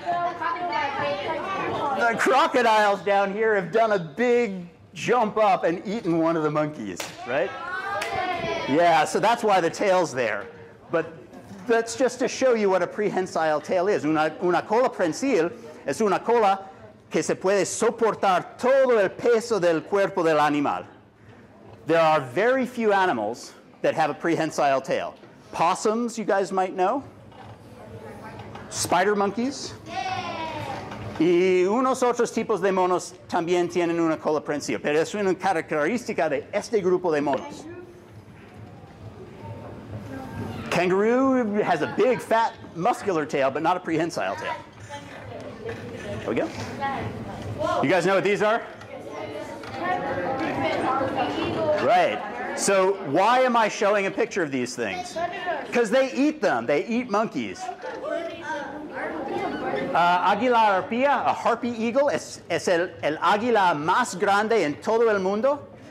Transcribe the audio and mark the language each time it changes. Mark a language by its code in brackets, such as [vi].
[en] The crocodiles down here have done a big jump up and eaten one of the monkeys, right? Yeah, so that's why the tail's there. But that's just to show you what a prehensile tail is. [es] Una cola prensil es una cola que se puede soportar todo el peso del cuerpo del animal. [en] There are very few animals that have a prehensile tail. Possums, you guys might know. Spider monkeys. Yeah. [es] Y unos otros tipos de monos también tienen una cola prensil. Pero es una característica de este grupo de monos. [en] Kangaroo has a big, fat, muscular tail, but not a prehensile tail. There we go. You guys know what these are? Right. So why am I showing a picture of these things? Because they eat them. They eat monkeys. [es] Águila arpía, [en] a harpy eagle, [es] es el águila más grande en todo el mundo.